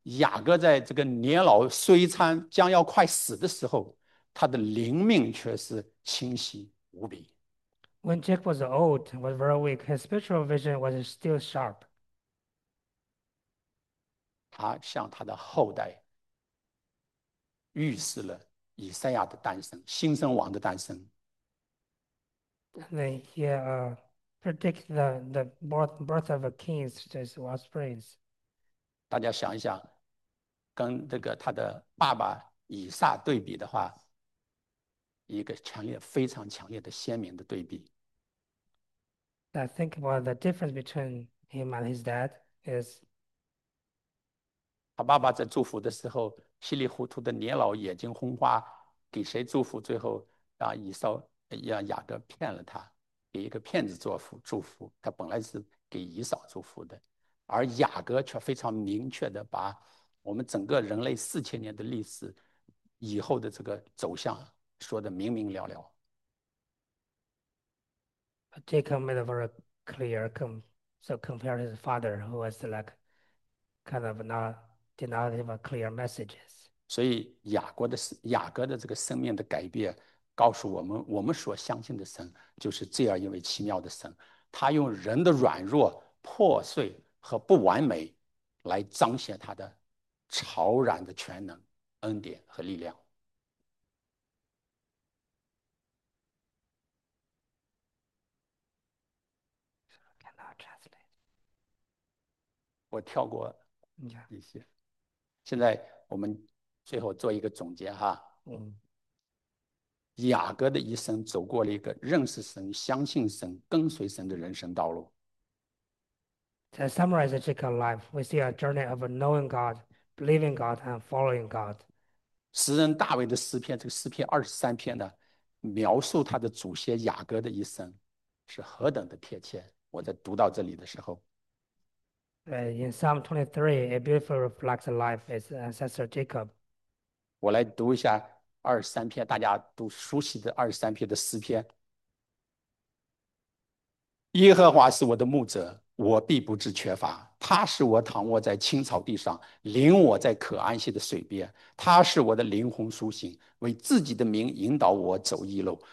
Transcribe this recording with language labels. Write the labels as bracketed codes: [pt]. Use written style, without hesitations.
[zh] 雅各在这个年老衰残、将要快死的时候，他的灵命却是清晰无比。 [en] When Jacob was old and was very weak, his spiritual vision was still sharp. [zh] 他向他的后代预示了以赛亚的诞生、新生王的诞生。 [en] And then he predict the birth of a king, such as was prince. [zh] 大家想一想。跟这个他的爸爸以撒对比的话，一个强烈、非常强烈的鲜明的对比。 [en] I think about the difference between him and his dad is. [zh] 他爸爸在祝福的时候，稀里糊涂的年老，眼睛昏花，给谁祝福？最后啊，以扫让亚德骗了他，给一个骗子做福祝福。他本来是给以扫祝福的，而雅各却非常明确的把我们整个人类4000年的历史以后的这个走向说得明明了了。 [en] Jacob made a very clear so compared to his father, who was like kind of not did not have a clear messages. [zh] 所以雅各的这个生命的改变，告诉我们，我们所相信的神就是这样一位奇妙的神。他用人的软弱、破碎和不完美，来彰显他的超然的全能、恩典和力量。我跳过一些，现在我们最后做一个总结哈。雅各的一生走过了一个认识神、相信神、跟随神的人生道路。 [en] To summarize the Jacob life, we see a journey of knowing God, believing God, and following God. [zh] 诗人大卫的诗篇，这个诗篇23篇呢，描述他的祖先雅各的一生是何等的贴切。我在读到这里的时候。 [en] In Psalm 23, it beautifully reflects the life of his ancestor Jacob. [zh] 我来读一下23篇，大家都熟悉的23篇的诗篇。耶和华是我的牧者，我必不致缺乏。他使我躺卧在青草地上，领我在可安歇的水边。他使我的灵魂苏醒，为自己的名引导我走义路。